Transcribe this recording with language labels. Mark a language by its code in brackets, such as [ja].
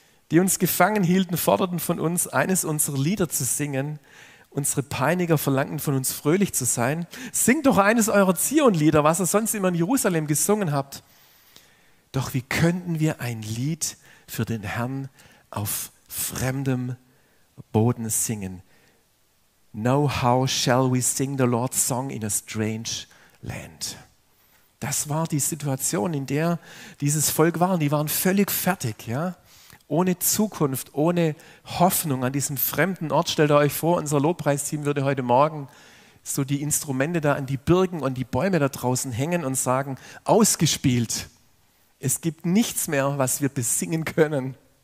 [de] Die uns gefangen hielten, forderten von uns, eines unserer Lieder zu singen. Unsere Peiniger verlangten von uns, fröhlich zu sein. Singt doch eines eurer Zionlieder, was ihr sonst immer in Jerusalem gesungen habt. Doch wie könnten wir ein Lied für den Herrn auf fremdem Boden singen? [en] No, how shall we sing the Lord's song in a strange land? [de] Das war die Situation, in der dieses Volk war. Die waren völlig fertig, ja. Ohne Zukunft, ohne Hoffnung an diesem fremden Ort. Stellt ihr euch vor, unser Lobpreisteam würde heute Morgen so die Instrumente da an die Birken und die Bäume da draußen hängen und sagen, ausgespielt, es gibt nichts mehr, was wir besingen können.